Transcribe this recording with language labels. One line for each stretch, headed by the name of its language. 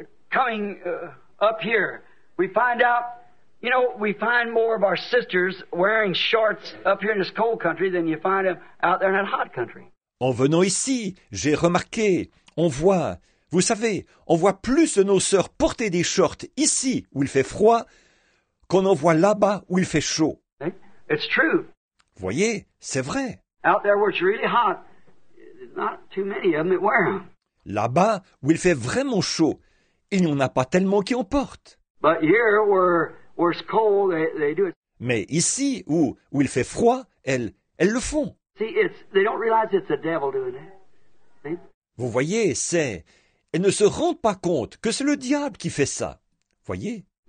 English: Coming up here, we find out, you know, we find more of our sisters wearing shorts up here in this cold country than you find them out there in that hot country.
French: En venant ici, j'ai remarqué, on voit, vous savez, on voit plus de nos sœurs porter des shorts ici où il fait froid qu'on en voit là-bas où il fait chaud.
English: It's true.
French: Voyez, c'est vrai.
English: Out there where it's really hot, not too many of them that wear them.
French: Là-bas où il fait vraiment chaud, il n'y en a pas tellement qui en portent.
English: But here where it's cold, they do it.
French: Mais ici où il fait froid, elles le font.
English: See, they don't realize it's the devil doing it.
French: Vous voyez, c'est... Elles ne se rendent pas compte que c'est le diable qui fait ça. Voyez.